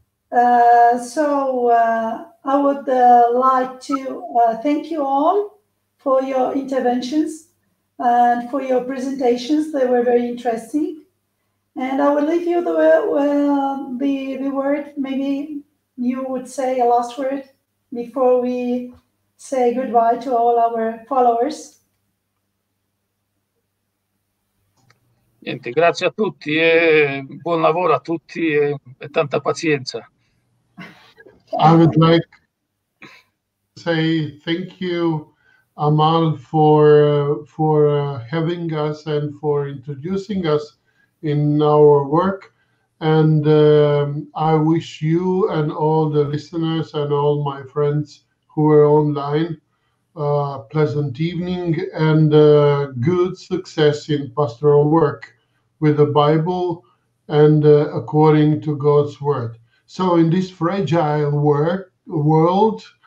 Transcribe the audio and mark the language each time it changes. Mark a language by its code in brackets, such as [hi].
[en] So I would like to thank you all for your interventions and for your presentations. They were very interesting. And I will leave you the word. Maybe you would say a last word before we say goodbye to all our followers. [it] Niente, grazie a tutti e buon lavoro a tutti e tanta pazienza. [en] I would like to say thank you, Amal, for having us and for introducing us in our work. And I wish you and all the listeners and all my friends who are online a pleasant evening and good success in pastoral work with the Bible and according to God's word. So in this fragile world,